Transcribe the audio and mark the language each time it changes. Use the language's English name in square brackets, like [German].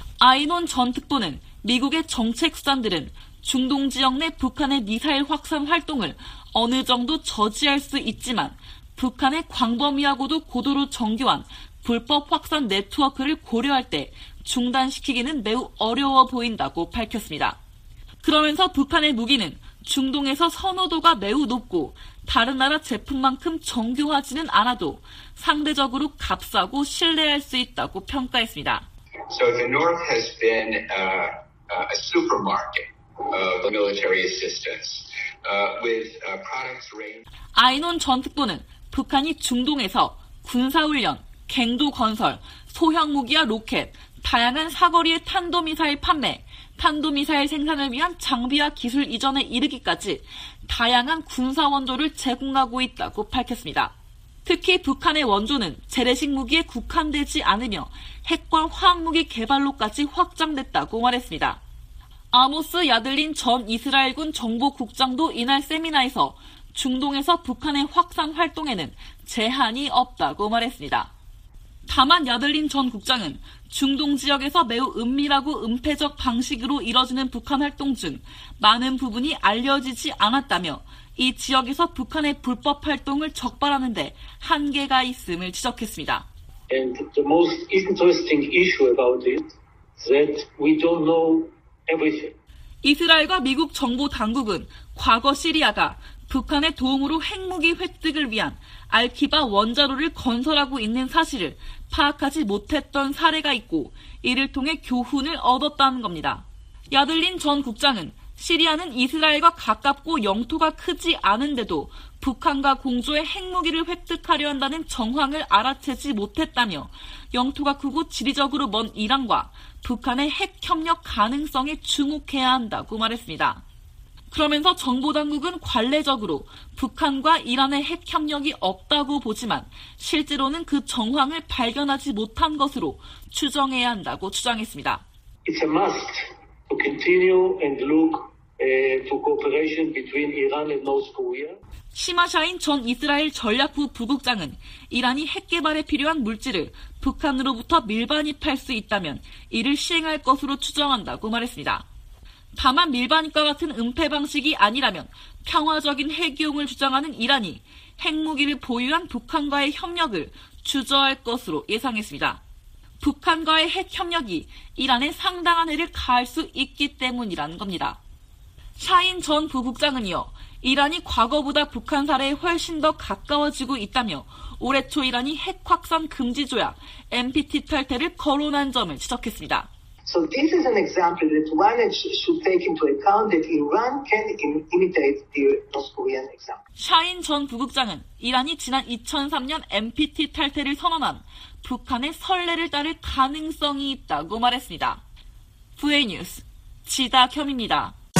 [Korean] 아이논 전 특보는 미국의 정책 수단들은 중동 지역 내 북한의 미사일 확산 활동을 어느 정도 저지할 수 있지만 북한의 광범위하고도 고도로 정교한 불법 확산 네트워크를 고려할 때 중단시키기는 매우 어려워 보인다고 밝혔습니다. 그러면서 북한의 무기는 중동에서 선호도가 매우 높고 다른 나라 제품만큼 정교하지는 않아도 상대적으로 값싸고 신뢰할 수 있다고 평가했습니다. [English] So the North has been a supermarket of military assistance with products range. [Korean] 아이논 전 특보는 북한이 중동에서 군사훈련, 갱도 건설, 소형 무기와 로켓, 다양한 사거리의 탄도미사일 판매, 탄도미사일 생산을 위한 장비와 기술 이전에 이르기까지 다양한 군사 원조를 제공하고 있다고 밝혔습니다. 특히 북한의 원조는 재래식 무기에 국한되지 않으며 핵과 화학무기 개발로까지 확장됐다고 말했습니다. 아모스 야들린 전 이스라엘군 정보국장도 이날 세미나에서 중동에서 북한의 확산 활동에는 제한이 없다고 말했습니다. 다만 야들린 전 국장은 중동 지역에서 매우 은밀하고 은폐적 방식으로 이뤄지는 북한 활동 중 많은 부분이 알려지지 않았다며 이 지역에서 북한의 불법 활동을 적발하는 데 한계가 있음을 지적했습니다. [English] And the most interesting issue about it that we don't know everything. [Korean] 이스라엘과 미국 정보 당국은 과거 시리아가 북한의 도움으로 핵무기 획득을 위한 알키바 원자로를 건설하고 있는 사실을 파악하지 못했던 사례가 있고 이를 통해 교훈을 얻었다는 겁니다. 야들린 전 국장은 시리아는 이스라엘과 가깝고 영토가 크지 않은데도 북한과 공조해 핵무기를 획득하려 한다는 정황을 알아채지 못했다며 영토가 크고 지리적으로 먼 이란과 북한의 핵협력 가능성에 주목해야 한다고 말했습니다. 그러면서 정보당국은 관례적으로 북한과 이란의 핵협력이 없다고 보지만 실제로는 그 정황을 발견하지 못한 것으로 추정해야 한다고 주장했습니다. [English] It's a must to continue and look to cooperation between Iran and North Korea. [Korean] 시마샤인 전 이스라엘 전략부 부국장은 이란이 핵 개발에 필요한 물질을 북한으로부터 밀반입할 수 있다면 이를 시행할 것으로 추정한다고 말했습니다. 다만 밀반입과 같은 은폐 방식이 아니라면 평화적인 핵이용을 주장하는 이란이 핵무기를 보유한 북한과의 협력을 주저할 것으로 예상했습니다. 북한과의 핵협력이 이란에 상당한 해를 가할 수 있기 때문이라는 겁니다. 샤인 전 부국장은 이어 이란이 과거보다 북한 사례에 훨씬 더 가까워지고 있다며 올해 초 이란이 핵확산 금지조약 NPT 탈퇴를 거론한 점을 지적했습니다. [English] So this is an example that one should take into account that Iran can imitate the North Korean example. [Korean] 샤인 전 부국장은 이란이 지난 2003년 NPT 탈퇴를 선언한 북한의 선례를 따를 가능성이 있다고 말했습니다. 부의 뉴스 지다겸입니다.